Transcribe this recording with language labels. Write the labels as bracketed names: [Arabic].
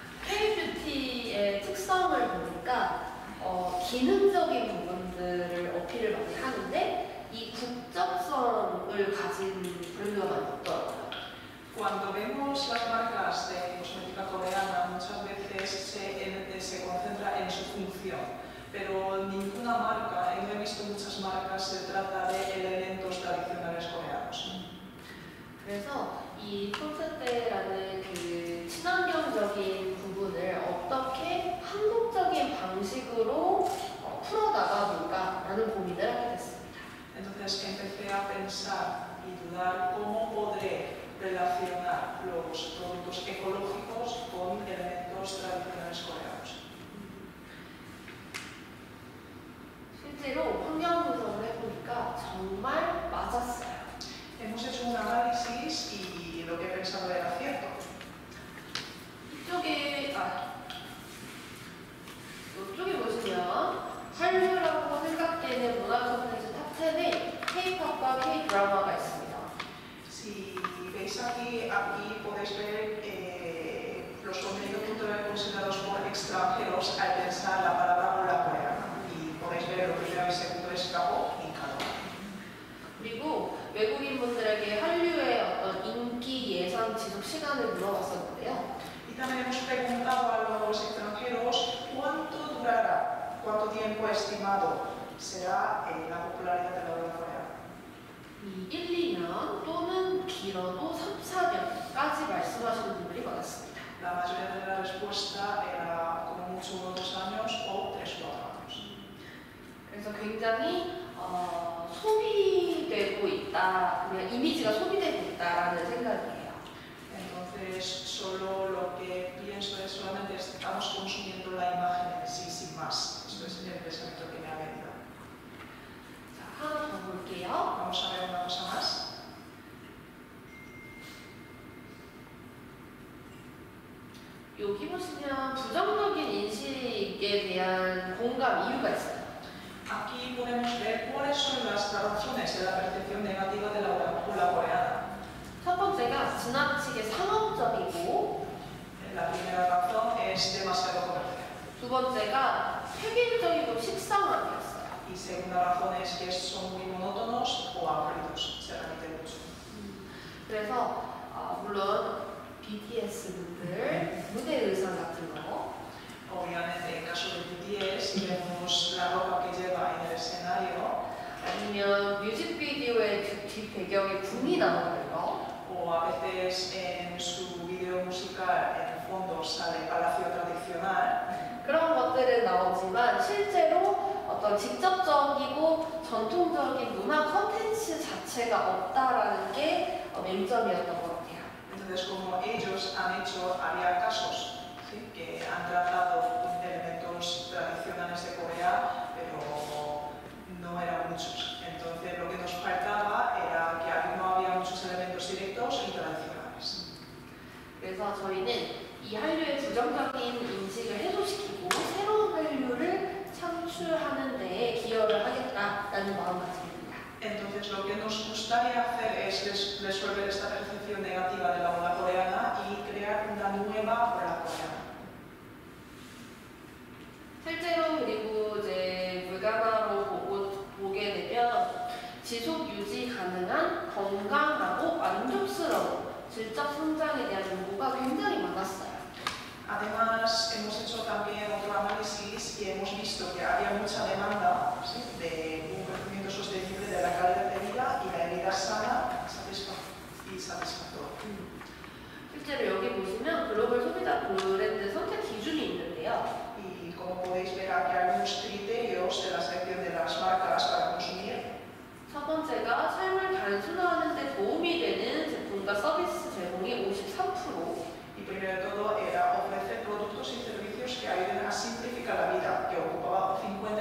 [Korean] K-Beauty의 특성을 보니까 기능적인 부분들을 어필을 많이 하는데 이 국적성을 가진 분류가 있더라고요. [Spanish] Cuando vemos las marcas de cosmética coreana muchas veces se concentra en su función, pero ninguna marca, yo he visto muchas marcas, se trata de elementos tradicionales coreanos. [Korean] 그래서 이 콘셉트라는 그 친환경적인 부분을 어떻게 한국적인 방식으로 풀어나가볼까라는 고민을 하게 됐습니다. [Spanish] Entonces empecé a pensar y dudar cómo podré relacionar los productos ecológicos con elementos tradicionales coreanos. [Korean] 실제로 환경 구성을 해보니까 정말 맞았어요. [Spanish] Hemos hecho un análisis y lo que he pensado era cierto. [Korean] 이쪽에, 이쪽에 보시면 한류라고 생각되는 문화 콘텐츠 탑10에 K-POP과 K-드라마가 있습니다. [Spanish] Si veis aquí podéis ver los contenidos culturales considerados por extranjeros al pensar la palabra la coreana. Y podéis ver lo primero y segundo es K-POP y K-DRAMA. [Korean] 그리고 외국인 분들에게 한류의 어떤 인기 예상 지속 시간을 물어봤었는데요. [Spanish] Y también hemos preguntado a los extranjeros cuánto durará, cuánto tiempo estimado será la popularidad de la obra coreana. [Korean] 1-2년 또는 길어도 3-4년까지 말씀하시는 분들이 많았습니다. [Spanish] La mayoría de la respuesta era como mucho 2 años o 3-4 años. [Korean] 그래서 굉장히 소비되고 있다, 그냥 이미지가 소비되고 있다라는 생각이에요. [Spanish] Entonces, solo lo que pienso es solamente estamos consumiendo la imagen en sí, sin más. Esto es el pensamiento que me ha venido. [Korean] 자, 하나 더 볼게요. [Spanish] Vamos a ver una cosa más. [Korean] 여기 보시면 부정적인 인식에 대한 공감 이유가 있어요. [Spanish] Aquí podemos ver cuáles son las razones de la percepción negativa de la cultura coreana. [Korean] 첫 번째가 지나치게 상업적이고 [Spanish] La primera razón es demasiado comercial. [Korean] 두 번째가 획일적이고 식상화되었어요. [Spanish] Y segunda razón es que son muy monótonos o aburridos. Se repite mucho. [Korean] 그래서 물론 BTS분들 무대 의상 같은 거 [Spanish] Obviamente, en caso de BTS, vemos la ropa que lleva en el escenario. [Korean] 아니면 뮤직비디오의 뒷 배경에 붐이 나오는 거. [Spanish] O a veces en su video musical, en el fondo sale Palacio Tradicional. [Korean] 그런 것들은 나오지만 실제로 어떤 직접적이고 전통적인 문화 콘텐츠 자체가 없다라는 게 맹점이었던 것 같아요. [Spanish] Entonces, como ellos han hecho, había casos. Que han tratado de elementos tradicionales de Corea, pero no eran muchos. Entonces, lo que nos faltaba era que aquí no había muchos elementos directos y tradicionales. [Korean] 그래서 저희는 이 한류의 부정적인 인식을 해소시키고 새로운 한류를 창출하는 데에 기여를 하겠다라는 마음가짐입니다. [Spanish] Entonces, lo que nos gustaría hacer es resolver esta percepción negativa de la ola coreana y crear una nueva ola coreana. [Korean] 실제로 그리고 이제 물가나로 보게 되면 지속 유지 가능한 건강하고 만족스러운 질적 성장에 대한 연구가 굉장히 많았어요. [Spanish] Además hemos hecho también otro análisis y hemos visto que había mucha demanda de un crecimiento sostenible de la calidad de vida y la vida sana y satisfactoria. [Korean] 실제로 여기 보시면 글로벌 소비자 브랜드 선택 기준이 있는데요. [Spanish] Como podéis ver, aquí hay algunos criterios de la selección de las marcas para consumir. [Korean] 첫 번째가 삶을 단순화하는 데 도움이 되는 제품과 서비스 제공이 53%. [Spanish] Y primero de todo era ofrecer productos y servicios que ayuden a simplificar la vida, que ocupaba 53%.